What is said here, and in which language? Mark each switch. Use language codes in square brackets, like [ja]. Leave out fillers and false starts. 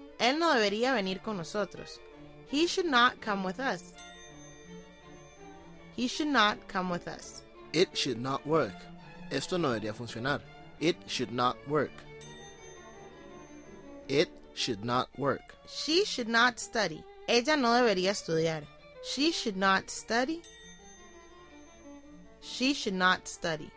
[es] Él no debería venir con nosotros. [en] He should not come with us. He should not come with us. It should not work. [es] Esto no debería funcionar. [en] It should not work. It should not work. She should not study. [es] Ella no debería estudiar. [en] She should not study. She should not study.